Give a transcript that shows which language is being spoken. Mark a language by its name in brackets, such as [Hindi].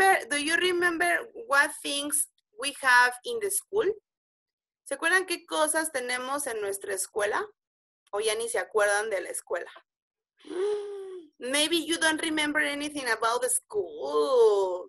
[English] Do you remember what things we have in the school? [Spanish] ¿Se acuerdan qué cosas tenemos en nuestra escuela? ¿O ya ni se acuerdan de la escuela? [English] Maybe you don't remember anything about the school.